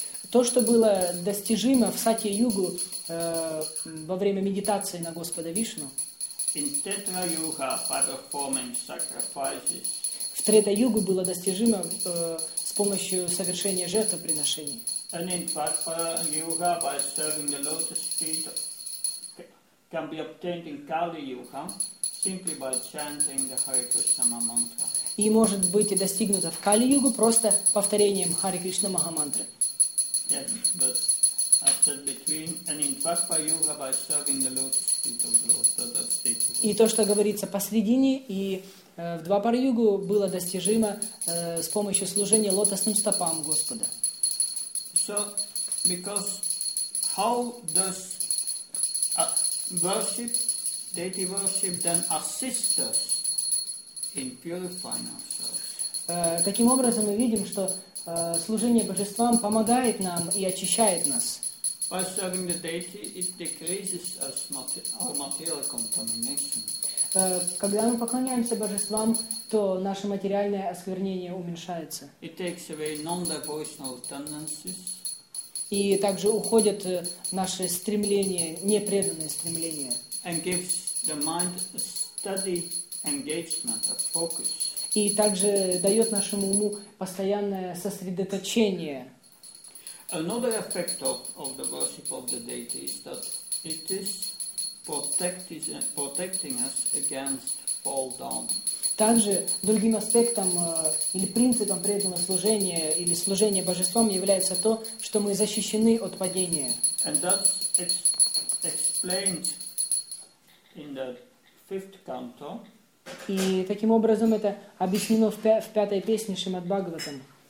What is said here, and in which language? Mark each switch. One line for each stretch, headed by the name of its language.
Russian: То, что было достижимо в Сатья Югу во время медитации на Господа Вишну.
English: In Tetra Yuga by performing sacrifices.
Russian: В Трета Югу было достижимо с помощью совершения жертвоприношений.
English: And in Dvapara Yuga by serving the lotus feet can be obtained in Kali Yuga. Simply by chanting the Hare Krishna Mahamantra.
Russian: И может быть достигнуто в Кали-югу просто повторением Hare Krishna Mahamantra.
English: Yes, but I said between and in Dvapara Yuga by serving the lotus feet of the Lord, that's it.
Russian: И то, что говорится посредине и в Двапара Югу было достижимо с помощью служения лотосным стопам Господа.
English: So, because how does worship deity worship then assists us in purifying ourselves.
Russian: Таким образом мы видим, что служение божествам помогает нам и очищает нас.
English: By serving the deity, it decreases our material contamination.
Russian: Когда мы поклоняемся божествам, то наше материальное осквернение уменьшается.
English: It takes away non-devotional tendencies.
Russian: И также уходят наши стремления, непреданные стремления.
English: And gives the mind a steady engagement, a focus.
Russian: И также дает нашему уму постоянное сосредоточение.
English: Another effect of the worship of the deity is that it is protecting us against fall down.
Russian: Также другим аспектом или принципом преданного служения или служения божествам является то, что мы защищены от падения.
English: And that's explained in the fifth canto.
Russian: И таким образом это объяснено в пятой песне Шримад-Бхагаватам.